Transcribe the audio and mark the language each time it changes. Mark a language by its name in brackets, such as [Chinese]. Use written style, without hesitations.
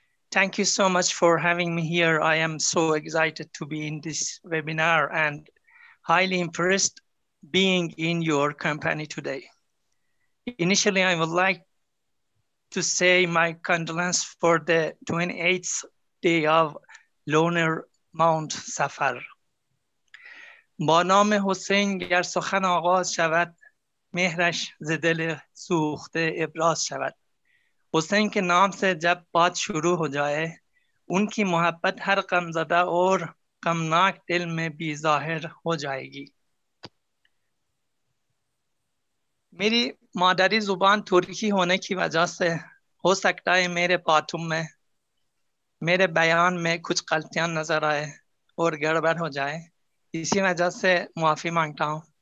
[English] Thank you so much for having me here. I am so excited to be in this webinar and highly impressed being in your company today. Initially, I would like to say my condolence for the 28th day of Lunar Mount Safar. [Persian] با نام حسین گر سخن آغاز شود مهرش ز دل سوخته ابراز شود. [Urdu] حسین که نام سے جب بات شروع ہو جائے ان کی محبت ہر غم زدہ اور غمناک دل میں بھی ظاہر ہو جائے گی. میری مادری زبان ترکی ہونے کی وجہ سے ہو سکتا ہے میرے باتوں میں میرے بیان میں کچھ غلطیاں نظر آئے اور گڑبڑ ہو جائے, اسی وجہ سے معافی مانگتا ہوں.